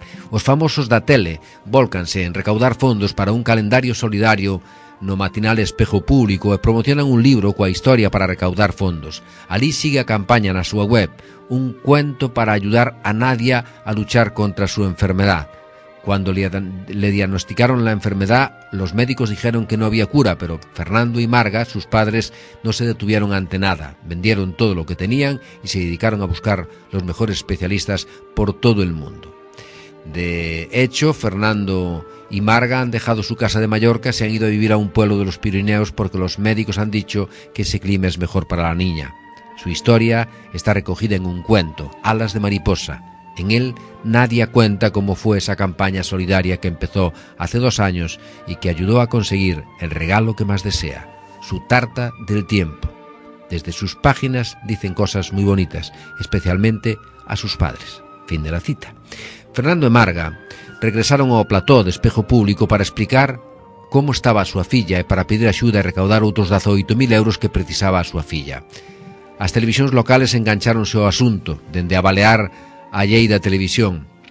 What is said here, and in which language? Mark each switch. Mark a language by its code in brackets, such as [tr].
[gl] Os famosos da tele volcanse en recaudar fondos para un calendario solidario no matinal Espejo Público e promocionan un libro coa historia para recaudar fondos. Alí sigue a campaña na súa web, un cuento para ayudar a Nadia a luchar contra a súa enfermedad. [es] Cuando le diagnosticaron la enfermedad, los médicos dijeron que no había cura, pero Fernando y Marga, sus padres, no se detuvieron ante nada. Vendieron todo lo que tenían y se dedicaron a buscar los mejores especialistas por todo el mundo. De hecho, Fernando y Marga han dejado su casa de Mallorca, se han ido a vivir a un pueblo de los Pirineos porque los médicos han dicho que ese clima es mejor para la niña. Su historia está recogida en un cuento, Alas de Mariposa. En él, Nadia cuenta cómo fue esa campaña solidaria que empezó hace 2 años y que ayudó a conseguir el regalo que más desea, su tarta del tiempo. Desde sus páginas dicen cosas muy bonitas, especialmente a sus padres. Fin de la cita. [gl] Fernando y Marga regresaron ao plató de Espejo Público para explicar cómo estaba a súa filla e para pedir axuda e recaudar outros 18.000 euros que precisaba a súa filla. As televisións locales engancharonse ao asunto, dende a Balear a Lleida Televisión.